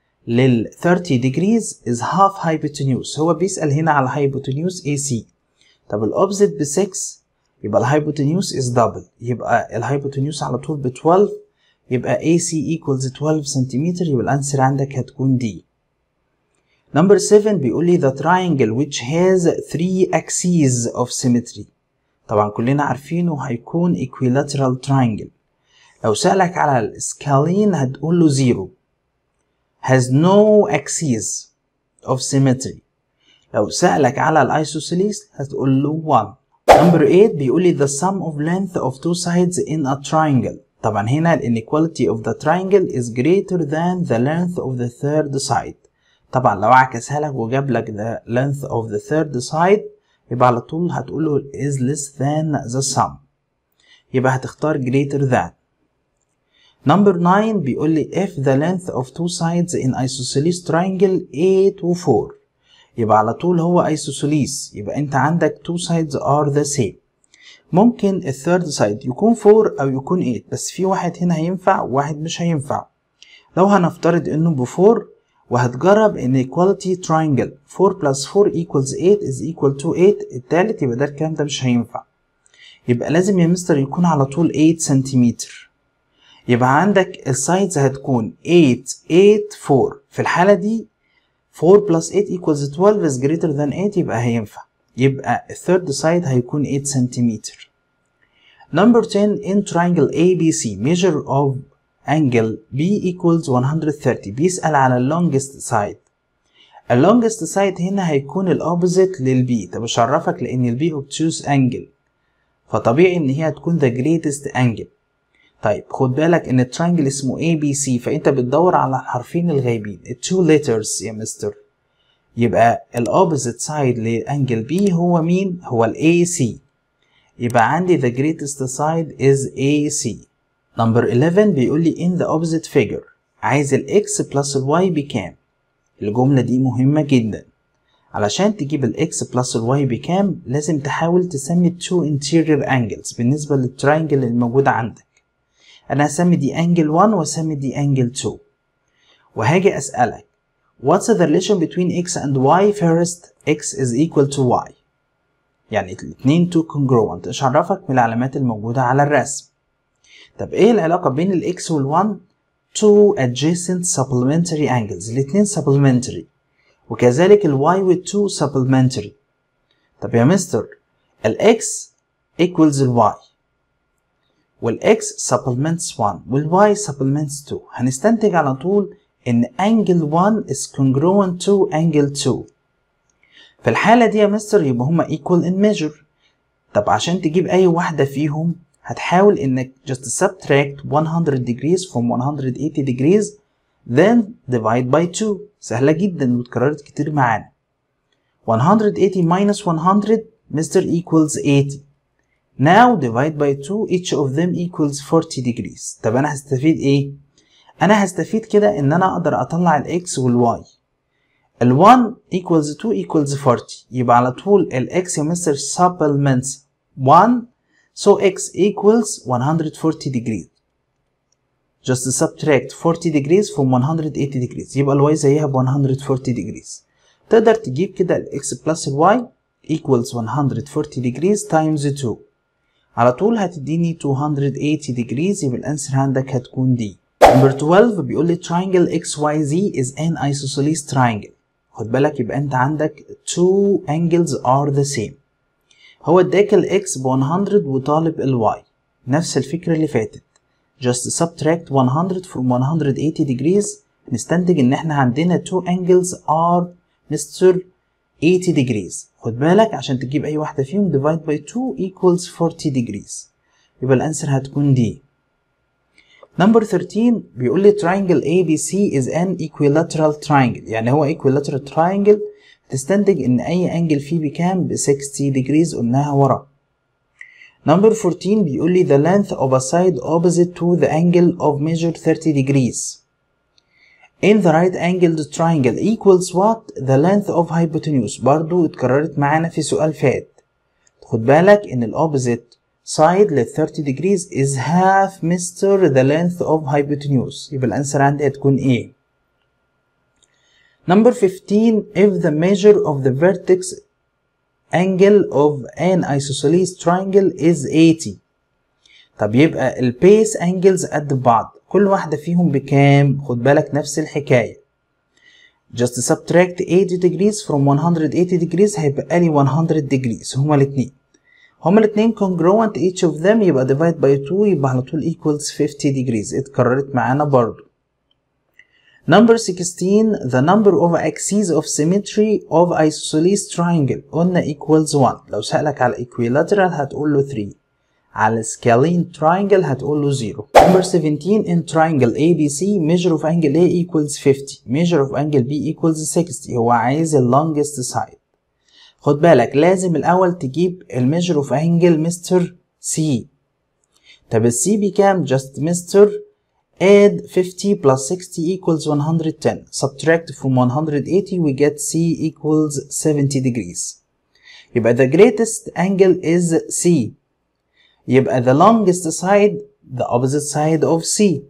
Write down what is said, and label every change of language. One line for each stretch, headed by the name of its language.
English: لل 30 degrees is half hypotenuse.
Arabic: هو بيسأل هنا على hypotenuse AC. طب ال opposite ب 6 يبقى ال
English: hypotenuse is double.
Arabic: يبقى ال hypotenuse على طول ب 12 يبقى
English: AC equals 12
Arabic: سنتيمتر. يبقى الانسر عندك هتكون D.
English: Number 7
Arabic: بيقول لي
English: the triangle which has 3 axes of symmetry.
Arabic: طبعا كلنا عارفينه هيكون
English: equilateral triangle.
Arabic: لو سألك على الاسكالين هتقول له 0.
English: has no axes of symmetry.
Arabic: لو سألك على الايسوسيليس هتقول له 1.
English: Number 8
Arabic: بيقول لي
English: the sum of length of two sides in a triangle.
Arabic: طبعا هنا الانيكواليتي
English: of the triangle is greater than the length of the third side.
Arabic: طبعا لو عكسها لك وجاب لك
English: the length of the third side
Arabic: يبقى على طول هتقوله
English: is less than the sum.
Arabic: يبقى هتختار
English: greater than. Number 9
Arabic: بيقول لي
English: if the length of two sides in isosceles triangle A to 4
Arabic: يبقى على طول هو
English: isosceles
Arabic: يبقى انت عندك
English: two sides are the same.
Arabic: ممكن الثيرد سايد يكون 4 او يكون 8 بس في واحد هنا هينفع وواحد مش هينفع. لو هنفترض انه ب 4 وهتجرب
English: inequality triangle 4 plus 4 equals 8 is equal to 8
Arabic: الثالث يبقى ده الكلام ده مش هينفع. يبقى لازم يا مستر يكون على طول 8 سنتيمتر. يبقى عندك السايدز هتكون 8 8 4 في الحالة دي
English: 4 plus 8 equals 12 is greater than 8
Arabic: يبقى هينفع. يبقى الثيرد سايد هيكون 8 سنتيمتر.
English: Number 10 in triangle ABC measure of angle B equals 130
Arabic: بيسأل على
English: longest side. Longest side
Arabic: هنا هيكون الopposite للB. طب اشرفك لان البي اوبتيوس انجل فطبيعي ان هي هتكون the greatest angle. طيب خد بالك ان الترانجل اسمه ABC فانت بتدور على الحرفين الغايبين
English: the two letters
Arabic: يا مستر. يبقى الاوبوزيت سايد لانجل B هو مين؟ هو الAC. يبقى عندي
English: the greatest side is AC. Number 11
Arabic: بيقول لي
English: in the opposite figure
Arabic: عايز ال
English: X plus Y بكام.
Arabic: الجملة دي مهمة جدا. علشان تجيب ال X plus Y بكام لازم تحاول تسمي
English: two interior angles
Arabic: بالنسبة للترانجل الموجودة عندك. انا هسمي دي انجل 1 واسمي دي انجل 2 وهاجي اسالك
English: what's the relation between x and y first x is equal to y
Arabic: يعني الاثنين
English: two congruent.
Arabic: اشرفك من العلامات الموجوده على الرسم. طب ايه العلاقه بين الاكس وال1
English: two adjacent supplementary angles
Arabic: الاثنين supplementary وكذلك الواي وال2 supplementary. طب يا مستر
English: الx equals y والx supplements 1 والy supplements 2
Arabic: هنستنتج على طول ان
English: angle 1 is congruent to angle 2.
Arabic: في الحالة دي يا مستر يبقى هما
English: equal in measure.
Arabic: طب عشان تجيب اي واحدة فيهم هتحاول انك
English: just subtract 100 degrees from 180 degrees then divide by 2.
Arabic: سهلة جدا وتكررت كتير معانا.
English: 180 minus 100 mister equals 80. Now divide by 2 each of them equals 40 degrees.
Arabic: طب انا هستفيد ايه؟ انا هستفيد كده ان انا اقدر اطلع ال x وال y.
English: ال 1 equals 2 equals 40
Arabic: يبقى على طول ال
English: x يا mister supplements 1 so x equals 140 degrees. Just subtract 40 degrees from 180 degrees
Arabic: يبقى ال y زيها ب
English: 140 degrees.
Arabic: تقدر تجيب كده ال
English: x plus ال y equals 140 degrees times 2.
Arabic: على طول هتديني
English: 280 degrees
Arabic: يبقى الانسر عندك هتكون دي. نمبر 12 بيقول لي
English: triangle XYZ is an isosceles triangle.
Arabic: خد بالك يبقى انت عندك
English: two angles are the same.
Arabic: هو اداك ال
English: X ب 100
Arabic: وطالب ال Y. نفس الفكرة اللي فاتت.
English: Just subtract 100 from 180 degrees
Arabic: نستنتج ان احنا عندنا
English: two angles are Mr. 80 degrees.
Arabic: خد بالك عشان تجيب اي واحدة فيهم
English: divide by 2 equals 40 degrees
Arabic: يبقى الانسر هتكون دي.
English: Number 13
Arabic: بيقول لي
English: triangle ABC is an equilateral triangle
Arabic: يعني هو
English: equilateral triangle.
Arabic: تستنتج ان اي angle فيه بكام ب
English: 60 degrees
Arabic: قلناها ورا.
English: Number 14
Arabic: بيقول لي
English: the length of a side opposite to the angle of measure 30 degrees in the right angled triangle equals what the length of hypotenuse.
Arabic: برضو اتكررت معانا في سؤال فات. خد بالك ان ال
English: opposite side لل 30 degrees is half mister the length of hypotenuse
Arabic: يبقى الانسر عندي هتكون ايه.
English: Number 15, if the measure of the vertex angle of an isosceles triangle is 80.
Arabic: طب يبقى البيس انجلز قد بعض، كل واحدة فيهم بكام؟ خد بالك نفس الحكاية.
English: Just subtract 80 degrees from 180 degrees
Arabic: هيبقى لي
English: 100 degrees،
Arabic: هما الاثنين. هما الاثنين congruent
English: each of them
Arabic: يبقى
English: divide by 2
Arabic: يبقى على طول
English: equals 50 degrees،
Arabic: اتكررت معانا برضو.
English: Number 16, the number of axes of symmetry of isosceles triangle
Arabic: قلنا
English: equals 1،
Arabic: لو سألك على
English: equilateral
Arabic: هتقول له
English: 3.
Arabic: على
English: scalene triangle
Arabic: هتقول له 0.
English: Number 17, in triangle ABC measure of angle A equals 50 measure of angle B equals 60،
Arabic: هو عايز ال
English: longest side.
Arabic: خد بالك لازم الأول تجيب ال
English: measure of angle
Arabic: مستر C. طب ال C بكام؟
English: just mister add 50 plus 60 equals 110 subtract from 180 we get C equals 70 degrees.
Arabic: يبقى
English: the greatest angle is C. يبقى the longest side the opposite side of C.